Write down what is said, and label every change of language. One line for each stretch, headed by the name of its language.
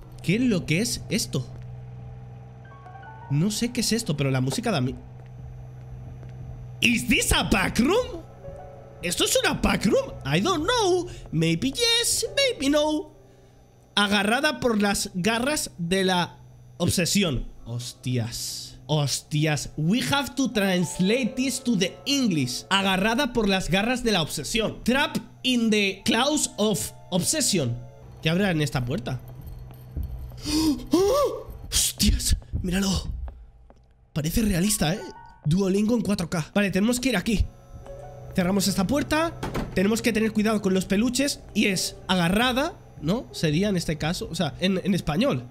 Spanish: ¿Qué es lo que es esto? No sé qué es esto, pero la música da mi...
English: ¿Is this a backroom?
Spanish: ¿Esto es una backroom?
English: I don't know. Maybe yes, maybe no.
Spanish: Agarrada por las garras de la obsesión. Hostias. Hostias.
English: We have to translate this to the English.
Spanish: Agarrada por las garras de la obsesión.
English: Trapped in the claws of obsession.
Spanish: ¿Qué habrá en esta puerta? ¡Oh! Hostias. Míralo. Parece realista, ¿eh? Duolingo en 4K. Vale, tenemos que ir aquí. Cerramos esta puerta. Tenemos que tener cuidado con los peluches. Y es agarrada, ¿no? Sería en este caso, o sea, en español.